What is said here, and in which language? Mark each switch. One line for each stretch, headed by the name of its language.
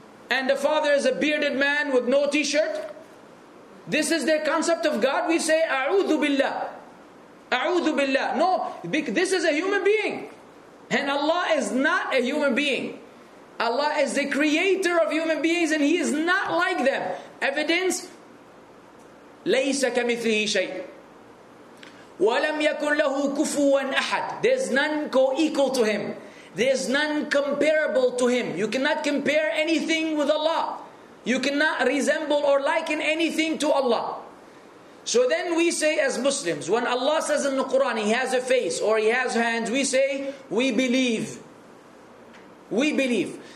English: And the father is a bearded man with no t-shirt. This is their concept of God. We say, A'udhu Billah. A'udhu Billah. No, this is a human being. And Allah is not a human being. Allah is the creator of human beings and He is not like them. Evidence,
Arabic: ليس كمثله شيء ولم يكن له كفوا أحد.
English: There's none co-equal to him. There's none comparable to him. You cannot compare anything with Allah. You cannot resemble or liken anything to Allah. So then we say as Muslims, when Allah says in the Quran, He has a face or He has hands, we say, we believe. We believe.